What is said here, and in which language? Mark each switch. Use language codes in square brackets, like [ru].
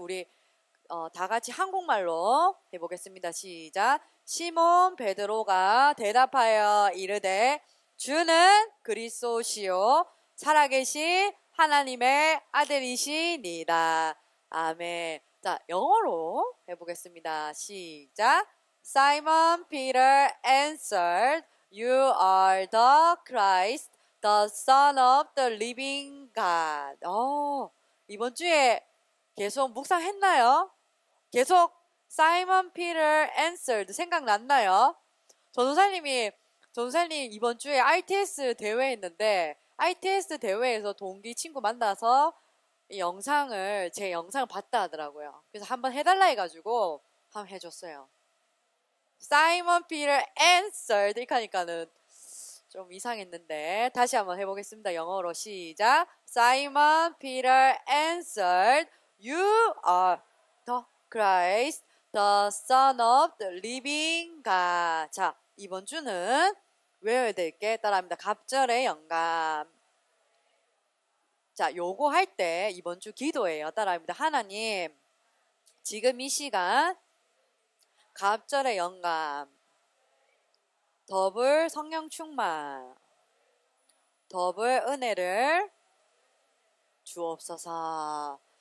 [ko] 우리 다 같이 한국말로 해보겠습니다. 시작. 시몬 베드로가 대답하여 이르되 주는 그리스도시요 살아계신 하나님의 아들이시니라. 아멘. 자, 영어로 해보겠습니다. 시작. [en] Simon Peter answered, You are the Christ, the Son of the living God. [ko] 이번 주에 계속 묵상했나요? 계속 [en] Simon Peter answered [ko] 생각났나요? 전도사님 이번 주에 ITS 대회 했는데, ITS 대회에서 동기 친구 만나서 제 영상을 봤다 하더라고요. 그래서 한번 해달라 해가지고 한번 해줬어요. [en] Simon Peter answered [ko] 이렇게 하니까는 좀 이상했는데 다시 한번 해보겠습니다. 영어로 시작. [en] Simon Peter answered, You are the Christ, the Son of the living God. [ko] 자, 이번 주는 외워야 될 게 따라합니다. 갑절의 영감. 자, 요거 할 때 이번 주 기도예요. 따라합니다. 하나님, 지금 이 시간 갑절의 영감, 더블 성령 충만, 더블 은혜를 주옵소서.